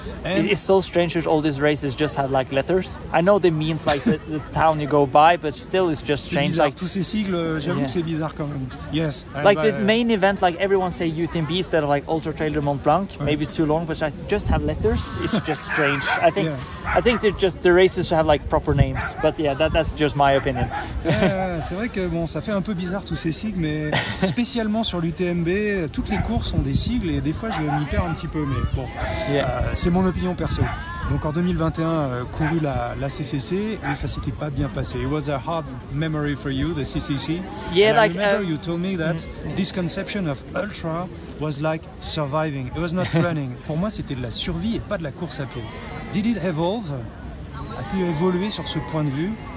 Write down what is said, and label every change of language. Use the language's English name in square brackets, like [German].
[English] It's so strange that all these races just have like letters. I know they mean like the town you go by, but still it's just strange. [French] C'est bizarre, tous ces sigles, j'avoue que c'est bizarre quand même. [English] Yes. Like the main event, like everyone say UTMB instead of like Ultra Trail du Mont-Blanc. Right. Maybe it's too long, but I just have letters. It's just strange. I think they're just the races have like proper names. But yeah, that's just my opinion. [French] C'est vrai que bon, ça fait un peu bizarre tous ces sigles, mais spécialement sur l'UTMB, toutes les courses ont des sigles et des fois je m'y perds un petit peu. Mais bon, c'est mon opinion perso. Donc en 2021, couru la CCC et ça s'était pas bien passé. [English] It was a hard memory for you, the CCC. Yeah, and like I remember you told me that this conception of ultra was like surviving. It was not running. [French] Pour moi, c'était de la survie et pas de la course à pied. [English] Did it evolve? [French] A-t-il évolué sur ce point de vue?